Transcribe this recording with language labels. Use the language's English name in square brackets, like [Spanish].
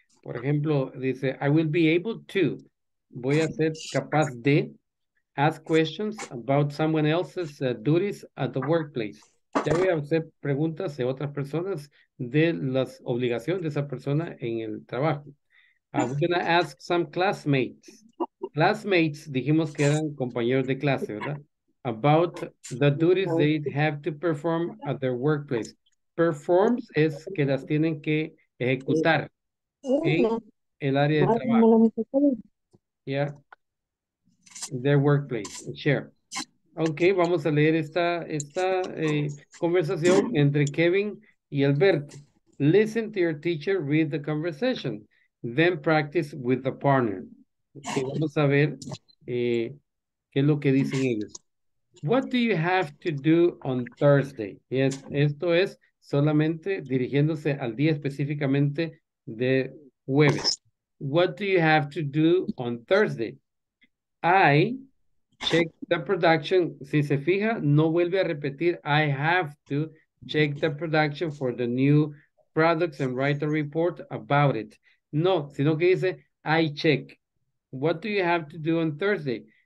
[Spanish] Por ejemplo, dice, [English] I will be able to, [Spanish] voy a ser capaz de, [English] ask questions about someone else's duties at the workplace. [Spanish] Ya voy a hacer preguntas de otras personas de las obligaciones de esa persona en el trabajo. [English] I'm going to ask some classmates. Classmates, [Spanish] dijimos que eran compañeros de clase, ¿verdad? [English] About the duties they have to perform at their workplace. [Spanish] Performs es que las tienen que ejecutar en el área de trabajo. Yeah. [English] Their workplace. [Spanish] Share. Okay, vamos a leer esta conversación entre Kevin y Alberto. [English] Listen to your teacher read the conversation, then practice with the partner. [Spanish] Okay, vamos a ver qué es lo que dicen ellos. [English] What do you have to do on Thursday? [Spanish] Yes, esto es solamente dirigiéndose al día específicamente de jueves. [English] What do you have to do on Thursday? I check the production. [Spanish] Si se fija, no vuelve a repetir. [English] I have to check the production for the new products and write a report about it. [Spanish] No, sino que dice, [English] I check. What do you have to do on Thursday?